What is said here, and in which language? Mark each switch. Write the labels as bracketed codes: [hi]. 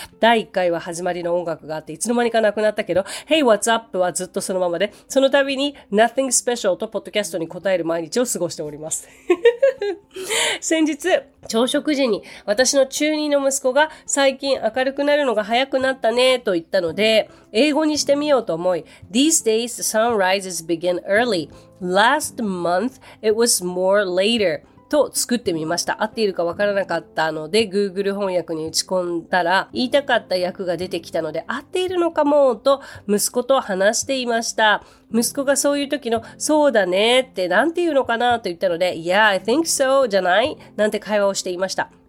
[ja] 第1回は始まりの音楽があっていつの間にかなくなったけど [en] Hey What's Up [ja] はずっとそのままで、その度に [en] Nothing Special [ja] とポッドキャストに答える毎日を過ごしております先日朝食時に私の中2の息子が最近明るくなるのが早くなったねと言ったので英語にしてみようと思い [en] These days sunrises begin early. Last month it was more later [ja] と作ってみました。合っているかわからなかったので Google 翻訳に打ち込んだら言いたかった訳が出てきたので合っているのかもと息子と話していました。息子がそういう時のそうだねってなんて言うのかなと言ったので [en] Yeah, I think so [ja] じゃないなんて会話をしていました。